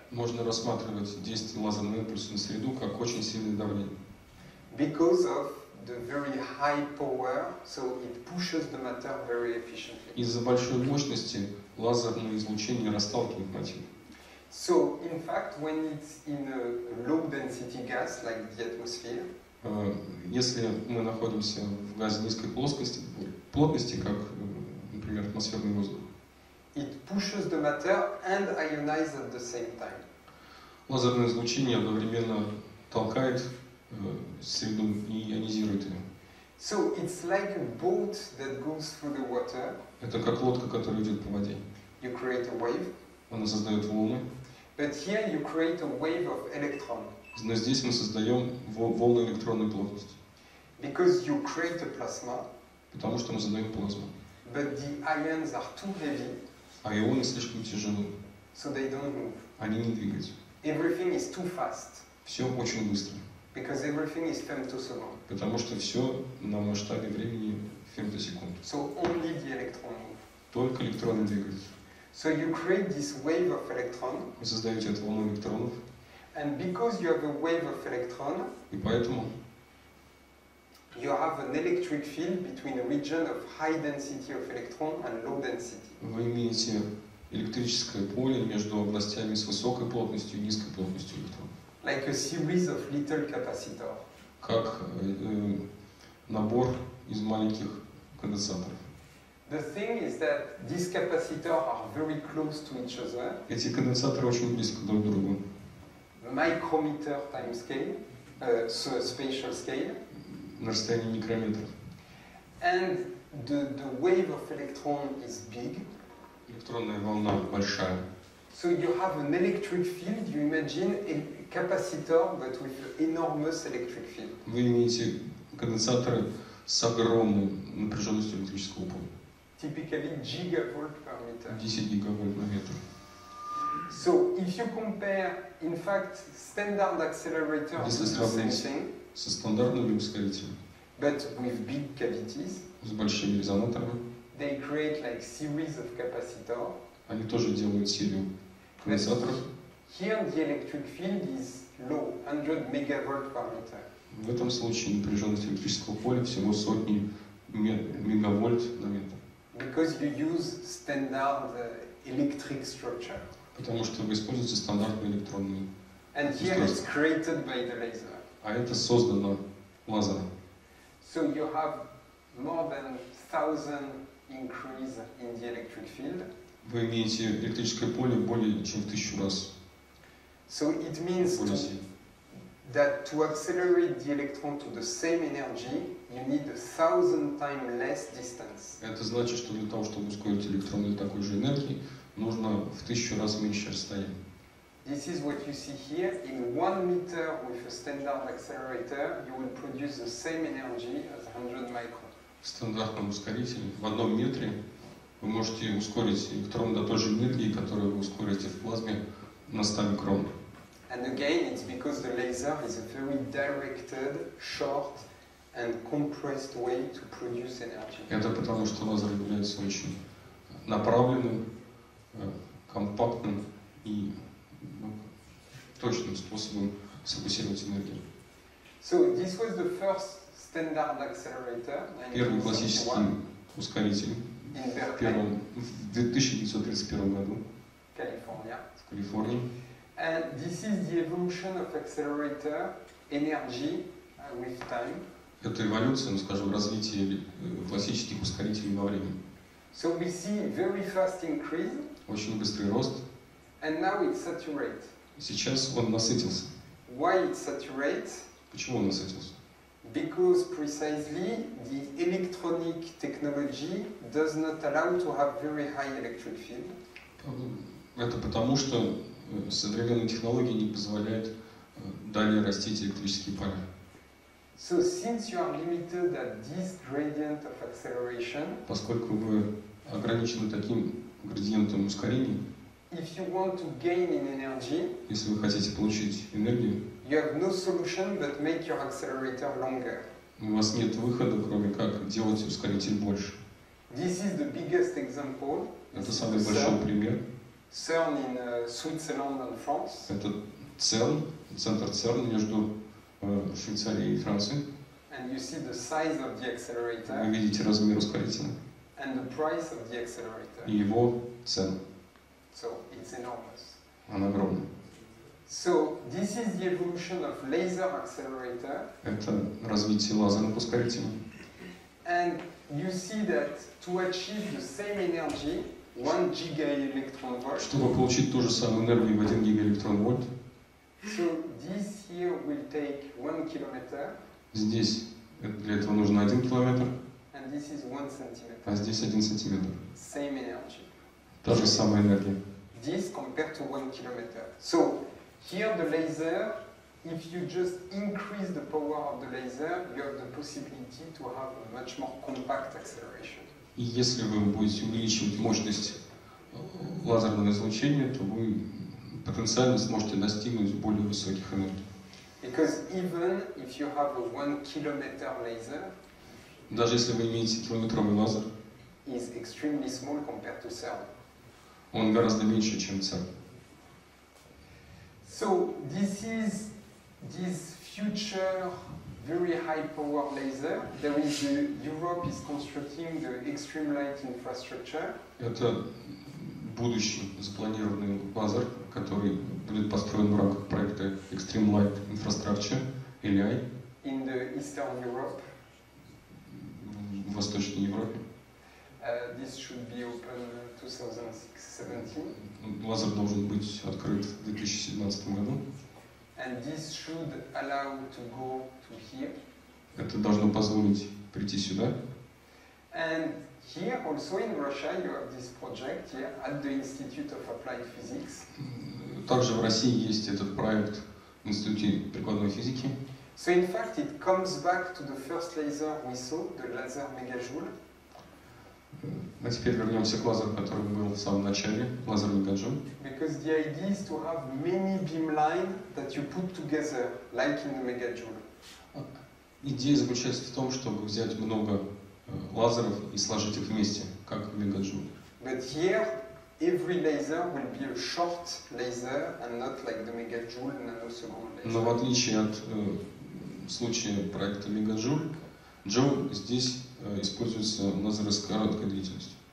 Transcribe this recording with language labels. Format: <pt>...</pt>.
<ru>Можно рассматривать действие лазерного импульса на среду как очень сильное давление.</ru> <en>Because of the very high power, so it pushes the matter very efficiently.</en> <ru>Из-за большой мощности лазерное излучение расталкивает материю.</ru> <en>So, in fact, when it's in a low density gas like the atmosphere,</en> <ru>если мы находимся в газе низкой плотности, как, например, атмосферный воздух,</ru> <en>it pushes the matter and ionizes at the same time.</en> <ru>Лазерное излучение одновременно толкает среду и ионизирует ее.</ru> <en>So it's like a boat that goes through the water.</en> <ru>Это как лодка, которая идет по воде.</ru> <en>You create a wave.</en> <ru>Она создает волны.</ru> <en>But here you create a wave of electron.</en> <ru>Но здесь мы создаем волны электронной плотности.</ru> <en>Because you create a plasma.</en> <ru>Потому что мы создаем плазму.</ru> <en>But the ions are too heavy.</en> <ru>А ионы слишком тяжелы.</ru> <en>So they don't move.</en> <ru>Они не двигаются.</ru> <en>Everything is too fast.</en> <ru>Все очень быстро.</ru> <en>Because everything is femtosecond.</en> <ru>Потому что все на масштабе времени фемтосекунд.</ru> <en>So only the electron move.</en> <ru>Только электроны двигаются.</ru> <en>So you create this wave of electron.</en> <ru>Вы создаете эту волну электронов.</ru> <en>And because you have a wave of electron,</en> <ru>и поэтому</ru> <en>you have an electric field between a region of high density of electron and low density.</en> <ru>Вы имеете электрическое поле между областями с высокой плотностью и низкой плотностью электронов.</ru> <en>Like a series of little capacitors.</en> <ru>Как набор из маленьких конденсаторов.</ru> <en>The thing is that these capacitors are very close to each other.</en> <ru>Эти конденсаторы очень близко друг к другу.</ru> <en>Micrometer time scale, so spatial scale.</en> <ru>На расстоянии микрометров.</ru> <en>And the wave of electron is big.</en> <ru>Электронная волна большая.</ru> <en>So you have an electric field. You imagine a capacitor, but with an enormous electric field.</en> <ru>Вы имеете конденсаторы с огромной напряженностью электрического поля.</ru> <en>Typically gigavolt per meter.</en> <ru>10 гигавольт на метр.</ru> <en>So if you compare, in fact, standard accelerator is the same thing.</en> <ru>со стандартными ускорителями.</ru> <en>But with big cavities.</en> <ru>С большими резонаторами.</ru> <en>They create like series of capacitor.</en> <ru>Они тоже делают серию конденсаторов.</ru> <en>Here the electric field is low, 100 megavolt per meter.</en> <ru>В этом случае напряженность электрического поля всего сотни мегавольт на метр.</ru> <en>Because you use standard electric structure.</en> <ru>Потому что вы используете стандартную электронную структуру.</ru> <en>And here it's created by the laser.</en> <ru>А это создано лазером.</ru> <en>So you have more than 1000 increase in the electric field.</en> <ru>Вы имеете электрическое поле более чем в 1000 раз.</ru> <en>So it means that to accelerate the electron to the same energy, you need 1000 times less distance.</en> <ru>Это значит, что для того, чтобы ускорить электрон до такой же энергии, нужно в 1000 раз меньше расстояние.</ru> <en>This is what you see here. In 1 meter with a standard accelerator, you will produce the same energy as 100 micron.</en> <ru>В стандартном ускорителе в 1 метре вы можете ускорить электрон до той же энергии, которую вы ускорите в плазме на 100 микрон.</ru> <en>And again, it's because the laser is a very directed, short, and compressed way to produce energy.</en> <ru>Это потому, что лазер является очень направленным, компактным и точным способом сфокусировать энергию.</ru> <en>So this was the first standard accelerator.</en> <ru>Первый классический ускоритель в 1931 году.</ru> <en>California.</en> <ru>В Калифорнии.</ru> <en>And this is the evolution of accelerator energy with time.</en> <ru>Это эволюция, ну скажем, развитие классических ускорителей во времени.</ru> <en>So we see very fast increase.</en> <ru>Очень быстрый рост.</ru> <en>And now it saturates.</en> <ru>Сейчас он насытился.</ru> <en>Why it saturates?</en> <ru>Почему он насытился?</ru> <en>Because precisely the electronic technology does not allow to have very high electric field.</en> <ru>Это потому, что современные технологии не позволяют далее расти электрические поля.</ru> <en>So since you are limited at this gradient of acceleration,</en> <ru>поскольку вы ограничены таким градиентом ускорения,</ru> <en>if you want to gain in energy,</en> <ru>если вы хотите получить энергию,</ru> <en>you have no solution but make your accelerator longer.</en> <ru>У вас нет выхода, кроме как делать ускоритель больше.</ru> <en>This is the biggest example.</en> <ru>Это самый большой пример.</ru> <en>CERN in Switzerland and France.</en> <ru>Это CERN, центр CERN между Швейцарией и Францией.</ru> <en>And you see the size of the accelerator.</en> <ru>Вы видите размер ускорителя.</ru> <en>And the price of the accelerator.</en> <ru>И его цену.</ru> <en>So it's enormous.</en> <ru>Она огромная.</ru> <en>So this is the evolution of laser accelerator.</en> <ru>Это развитие лазерного ускорителя.</ru> <en>And you see that to achieve the same energy. 1 gigaelectronvolt.</en> <ru>Чтобы получить ту же самую энергию в 1 гигаэлектронвольт.</ru> <en>So this here will take 1 kilometer.</en> <ru>Здесь для этого нужно 1 километр.</ru> <en>And this is 1 centimeter.</en> <ru>А здесь 1 сантиметр.</ru> <en>Same energy.</en> <ru>Та же самая энергия.</ru> <en>This compared to 1 kilometer. So here the laser, if you just increase the power of the laser, you have the possibility to have a much more compact acceleration.</en> <ru>И если вы будете увеличивать мощность лазерного излучения, то вы потенциально сможете достигнуть более высоких энергий.</ru> <en>Because even if you have a 1 kilometer laser,</en> <ru>даже если вы имеете километровый лазер,</ru> <en>is extremely small compared to CERN.</en> <ru>Он гораздо меньше, чем CERN.</ru> <en>So this is this future. Very high power laser. There is the Europe is constructing the extreme light infrastructure.</en> <ru>Это будущий запланированный лазер, который будет построен в рамках проекта Extreme Light Infrastructure, ELI.</ru> <en>In the Eastern Europe.</en> <ru>В Восточной Европе.</ru> <en>This should be open 2017.</en> <ru>Лазер должен быть открыт в 2017 году.</ru> <en>And this should allow to go to here.</en> <ru>Это должно позволить прийти сюда.</ru> <en>And here also in Russia you have this project here at the Institute of Applied Physics.</en> <ru>Также в России есть этот проект в Институте прикладной физики.</ru> <en>So in fact it comes back to the first laser we saw, the laser megajoule.</en> <ru>А теперь вернемся к лазеру, который был в самом начале, лазер мегаджоуль.</ru> <en>Because the idea is to have many beam line that you put together, like in the megajoule.</en> <ru>Идея заключается в том, чтобы взять много лазеров и сложить их вместе, как мегаджоуль.</ru> <en>But here, every laser will be a short laser and not like the megajoule nanosecond laser.</en> <ru>Но в отличие от случая проекта мегаджоуль, джоуль здесь используется лазеры с короткой длительностью.</ru>